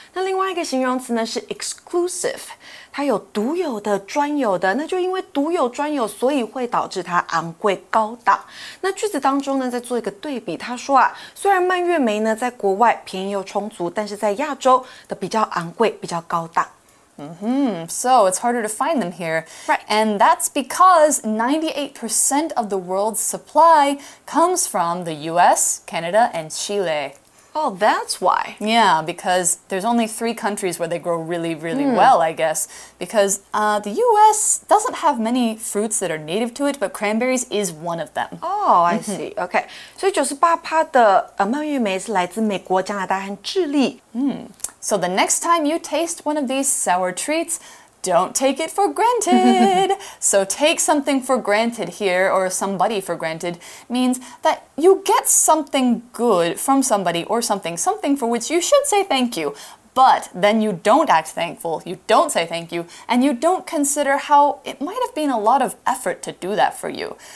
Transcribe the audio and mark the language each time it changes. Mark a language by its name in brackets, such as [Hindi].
[Chinese] 那另外一个形容词呢是 exclusive, 它有独有的、专有的。那就因为独有、专有，所以会导致它昂贵、高档。那句子当中呢，再做一个对比，他说啊，虽然蔓越莓呢在国外便宜又充足，但是在亚洲的比较昂贵、比较高档。 [English] Mm-hmm. So it's harder to find them here. Right. And that's because 98% of the world's supply comes from the US, Canada, and Chile. Oh, that's why. Yeah, because there's only three countries where they grow really, really、mm. well, I guess. Because、the US doesn't have many fruits that are native to it, but cranberries is one of them. Oh, I、mm-hmm. see. Okay. [Chinese] So 98% 的蔓越莓是来自美国、加拿大和智利。 Hmm. [English] So the next time you taste one of these sour treats, don't take it for granted. So take something for granted here, or somebody for granted, means that you get something good from somebody or something, something for which you should say thank you, but then you don't act thankful, you don't say thank you, and you don't consider how it might have been a lot of effort to do that for you.